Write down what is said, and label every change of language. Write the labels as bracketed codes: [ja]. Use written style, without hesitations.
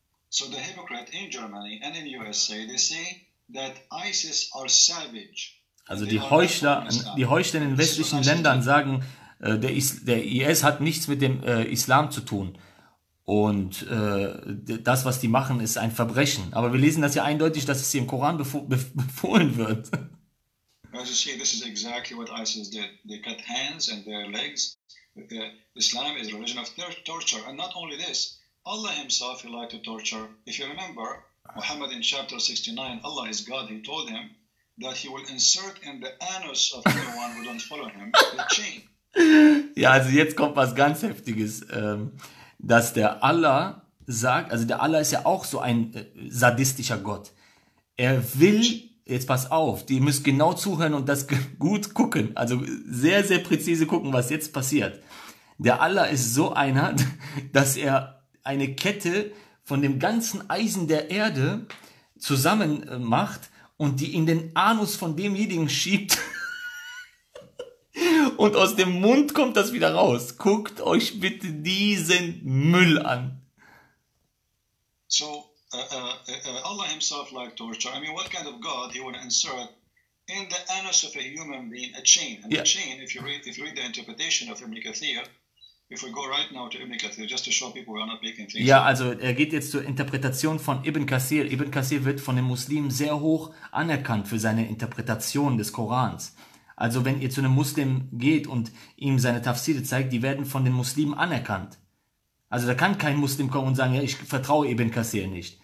[en] So the hypocrite in Germany and in USA, they say that ISIS are savage. [de] Also die Heuchler in den westlichen Ländern sagen, der IS hat nichts mit dem Islam zu tun. Und das, was die machen, ist ein Verbrechen. Aber wir lesen das ja eindeutig, dass es hier im Koran befohlen wird. [en] As you see, this is exactly what ISIS did. They cut hands and their legs. Islam is a religion of torture. And not only this, Allah himself, he liked to torture. If you remember, Muhammad in chapter 69, Allah is God, he told him, that he will insert in the anus of anyone who don't follow him the chain. [de] Ja, also jetzt kommt was ganz Heftiges, dass der Allah sagt, also der Allah ist ja auch so ein sadistischer Gott. Er will, jetzt pass auf, ihr müsst genau zuhören und das gut gucken, also sehr, sehr präzise gucken, was jetzt passiert. Der Allah ist so einer, dass er eine Kette von dem ganzen Eisen der Erde zusammen macht und die in den Anus von demjenigen schiebt, und aus dem Mund kommt das wieder raus. Guckt euch bitte diesen Müll an. [en] So, Allah himself liked torture. I mean, what kind of God he would insert in the anus of a human being a chain? And yeah, the chain, if you read the interpretation of Ibn Kathir, if we go right now to Ibn Kathir, just to show people we are not making things. [de] Ja, also er geht jetzt zur Interpretation von Ibn Kathir. Ibn Kathir wird von den Muslimen sehr hoch anerkannt für seine Interpretation des Korans. Also wenn ihr zu einem Muslim geht und ihm seine Tafsir zeigt, die werden von den Muslimen anerkannt. Also da kann kein Muslim kommen und sagen, ja, ich vertraue Ibn Kathir nicht.